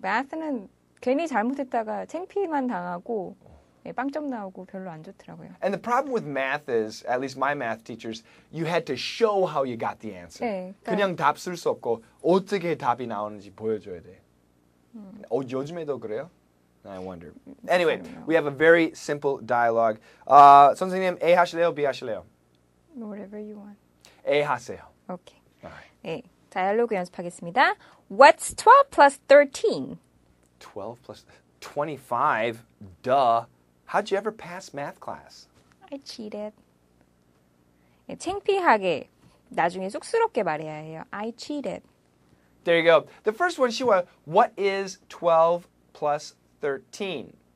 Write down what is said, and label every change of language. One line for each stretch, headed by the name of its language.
Korean: Math는 괜히 잘못했다가 창피만 당하고 빵점 나오고 별로 안 좋더라고요.
English: And the problem with math is, at least my math teachers, you had to show how you got the answer.
Korean: 네, 그러니까 그냥 답 쓸 수 없고 어떻게 답이 나오는지 보여줘야 돼. 요즘에도 그래요?
English: I wonder. Anyway, we have a very simple dialogue.
Korean: 선생님, A 하실래요? B 하실래요?
English: Whatever you want.
Korean: A 하세요.
English: Okay. Right.
Korean: 네, 다이얼로그 연습하겠습니다.
English: What's 12 plus 13? 12 plus 25? Duh. How'd you ever pass math class? I cheated.
Korean: 네, 창피하게, 나중에 쑥스럽게 말해야 해요.
English: I cheated. There you go. The first one, she was, what is 12 plus 13?